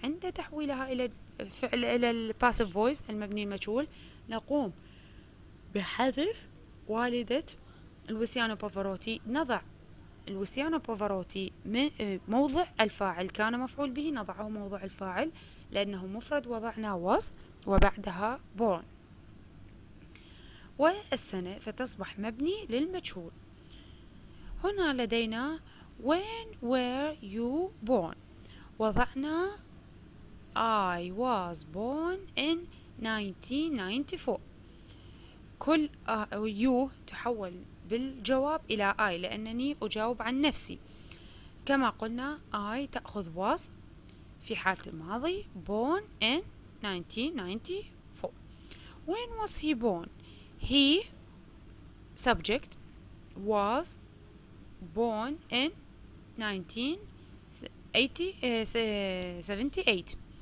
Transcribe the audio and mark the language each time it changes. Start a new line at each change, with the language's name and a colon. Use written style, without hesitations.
Arabic: عند تحويلها إلى فعل إلى passive voice المبني المجهول نقوم بحذف والدة لوسيانو بافاروتي، نضع لوسيانو بافاروتي موضع الفاعل كان مفعول به، نضعه موضع الفاعل لأنه مفرد وضعنا was وبعدها born والسنة، فتصبح مبني للمجهول. هنا لدينا
English: when were you born،
Arabic: وضعنا
English: I was born in 1994.
Arabic: كل you تحول بالجواب إلى I لأنني أجاوب عن نفسي، كما قلنا I تأخذ was في حالة الماضي
English: born in 1994. when was he born، he subject was born in 1978.